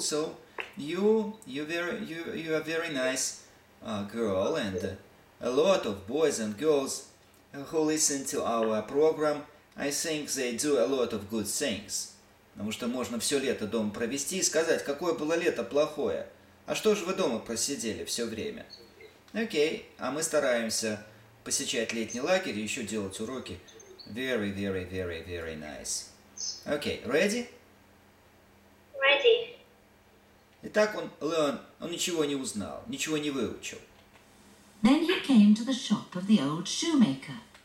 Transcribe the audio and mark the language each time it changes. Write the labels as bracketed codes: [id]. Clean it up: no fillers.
[en] So you are very nice girl, and a lot of boys and girls who listen to our program, I think they do a lot of good things. [ru] Потому что можно все лето дома провести и сказать, какое было лето плохое. А что же вы дома просидели все время? Окей, а мы стараемся посещать летний лагерь и еще делать уроки. [en] Very, very, very, very nice. [ru] Окей, [en] ready? Ready. [ru] Итак, он learn, он ничего не узнал, ничего не выучил. [en] Then he came to the shop of the old shoemaker.